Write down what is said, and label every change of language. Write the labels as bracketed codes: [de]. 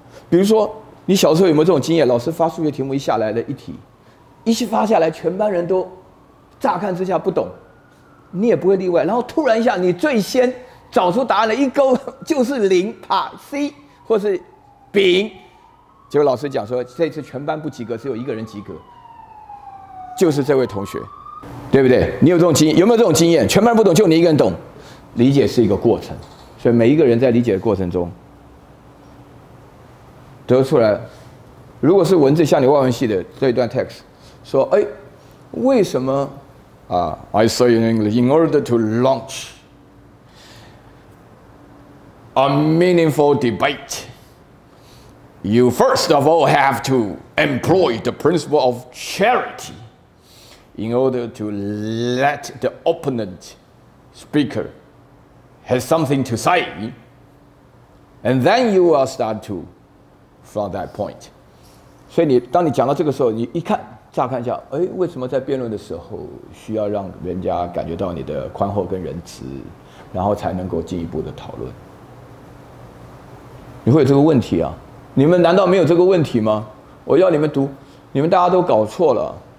[zh] 比如说你小时候有没有这种经验，老师发数学题目一下来的一题，一起发下来全班人都乍看之下不懂，你也不会例外，然后突然一下你最先找出答案的一勾就是零，啪 C 或是丙，结果老师讲说这次全班不及格，只有一个人及格，就是这位同学，对不对？你有这种经验，有没有这种经验？全班不懂就你一个人懂。理解是一个过程，所以每一个人在理解的过程中得出来，如果是文字，像你外文系的这一段 text 说，哎，为什么啊 [en] I say in English in order to launch a meaningful debate you first of all have to employ the principle of charityin order to let the opponent speaker has something to say, and then you will start to from that point. [zh] 所以你当你讲到这个时候，你一看乍看一下，哎，为什么在辩论的时候需要让人家感觉到你的宽厚跟仁慈，然后才能够进一步的讨论？你会有这个问题啊？你们难道没有这个问题吗？我要你们读，你们大家都搞错了。